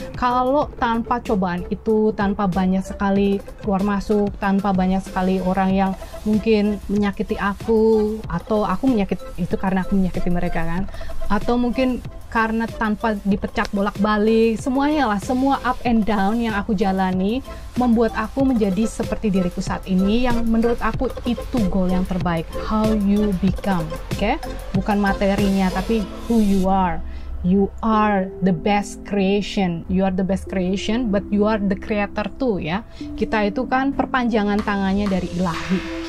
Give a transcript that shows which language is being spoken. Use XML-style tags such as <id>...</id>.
<id>Kalau tanpa cobaan itu, tanpa banyak sekali keluar masuk, tanpa banyak sekali orang yang mungkin menyakiti aku, atau aku menyakiti itu karena aku menyakiti mereka kan, atau mungkin karena tanpa dipecat bolak-balik, semuanya lah, semua</id> <en>up and down</en> <id>yang aku jalani membuat aku menjadi seperti diriku saat ini, yang menurut aku itu goal yang terbaik,</id> <en>how you become,</en> <id>oke? Bukan materinya, tapi</id> <en>who you are. You are the best creation. You are the best creation, but you are the creator too, ya.</en> <id>Kita itu kan perpanjangan tangannya dari Ilahi.</id>